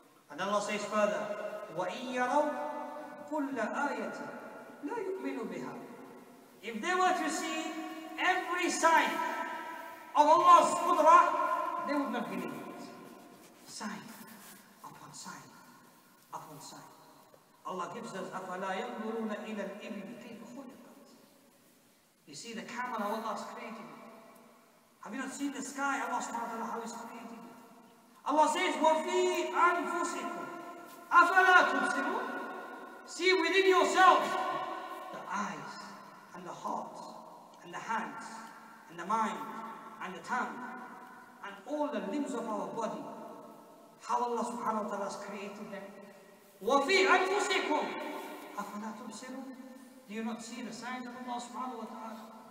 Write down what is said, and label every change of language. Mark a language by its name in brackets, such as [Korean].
[English] And Allah says further, [Arabic] وَإِن يَرَوْا كُلَّ آيَةٍ لَا يُؤْمِنُ بِهَا. [English] If they were to see every sign of Allah's Qudra, they would not believe it. Sign upon sign upon sign. Allah gives us, [Arabic] أَفَلَا يَنْظُرُونَ إِلَى الْإِبْلِ كَيْفَ خُلِقَتْ. [English] You see the camel of Allah's creating. Have you not seen the sky, Allah subhanahu wa ta'ala, how He's creating it? Allah says, [Arabic] وَفِي أَنْفُسِكُمْ أَفَلَا تُبْصِرُونَ. [English] See within yourselves the eyes and the heart and the hands and the mind and the tongue, and all the limbs of our body, how Allah subhanahu wa ta'ala has created them. [Arabic] وَفِي أَنْفُسِكُمْ أَفَلَا تُبْصِرُونَ. [English] Do you not see the signs of Allah subhanahu wa ta'ala?